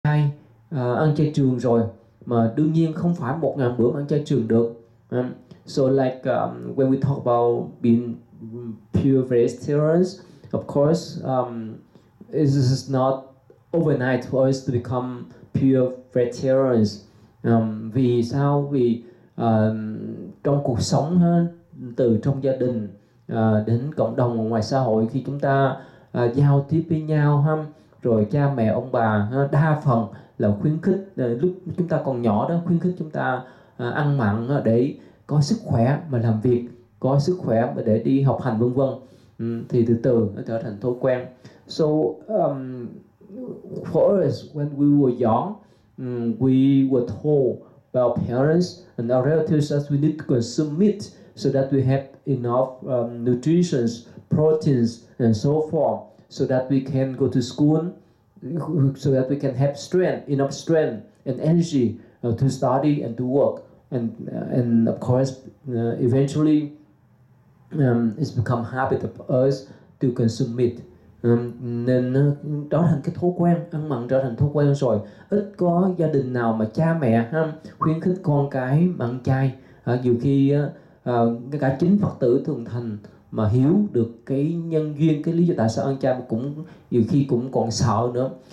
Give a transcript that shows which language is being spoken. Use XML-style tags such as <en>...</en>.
<vi>ăn chay trường rồi, mà đương nhiên không phải 1.000 bữa ăn chay trường được.</vi> <en>So like when we talk about being pure vegetarians, of course, this is not overnight for us to become pure vegetarians.</en> <vi>Vì sao? Vì trong cuộc sống ha, từ trong gia đình đến cộng đồng ngoài xã hội, khi chúng ta giao tiếp với nhau ha, rồi cha mẹ ông bà ha, đa phần là khuyến khích lúc chúng ta còn nhỏ đó, khuyến khích chúng ta ăn mặn để có sức khỏe mà làm việc, có sức khỏe mà để đi học hành vân vân, thì từ từ nó trở thành thói quen.</vi> <en>So for us, when we were young, we were told by our parents and our relatives that we need to consume meat so that we have enough nutrition, proteins, and so forth, so that we can go to school, so that we can have strength, enough strength and energy to study and to work. And of course, eventually, it's become habit of us to consume meat.</en> <vi>Nên trở thành cái thói quen, ăn mặn trở thành thói quen rồi. Ít có gia đình nào mà cha mẹ ha, khuyến khích con cái ăn chay. Nhiều khi cả chính Phật tử thường thành mà hiểu được cái nhân duyên, cái lý do tại sao ăn chay, cũng nhiều khi cũng còn sợ nữa.</vi>